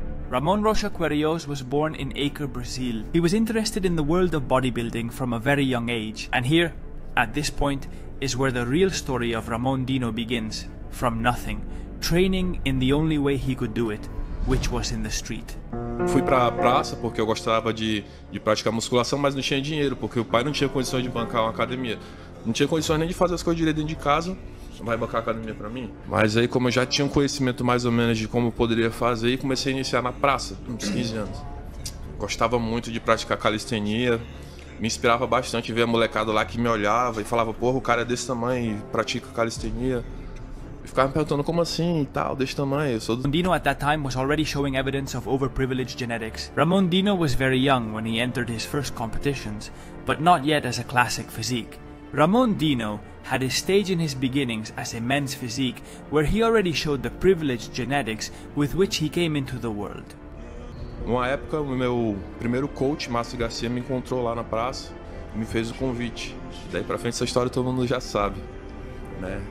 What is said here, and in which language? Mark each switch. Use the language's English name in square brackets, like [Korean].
[English] Ramon Rocha Querios was born in Acre, Brazil. He was interested in the world of bodybuilding from a very young age, and here, at this point, is where the real story of Ramon Dino begins, from nothing, training in the only way he could do it, which was in the street. [Portuguese] Fui pra praça porque eu gostava de praticar musculação, mas não tinha dinheiro, porque o pai não tinha condições de bancar uma academia. Não tinha condições nem de fazer as coisas direito dentro de casa, vai bancar a academia pra mim. Mas aí, como eu já tinha um conhecimento mais ou menos de como eu poderia fazer, comecei a iniciar na praça, uns 15 anos. Gostava muito de praticar calistenia. Me inspirava bastante ver a molecada lá que me olhava e falava, porra, o cara é desse tamanho e pratica calistenia. E ficava me perguntando, como assim e tal, desse tamanho? Eu sou [English] do... Dino at that time was already showing evidence of overprivileged genetics. Ramon Dino was very young when he entered his first competitions, but not yet as a classic physique. Ramon Dino had a stage in his beginnings as a men's physique, where he already showed the privileged genetics with which he came into the world. [Portuguese] Uma época, o meu primeiro coach, Márcio Garcia, me encontrou lá na praça e me fez o convite. Daí pra frente, essa história todo mundo já sabe, né?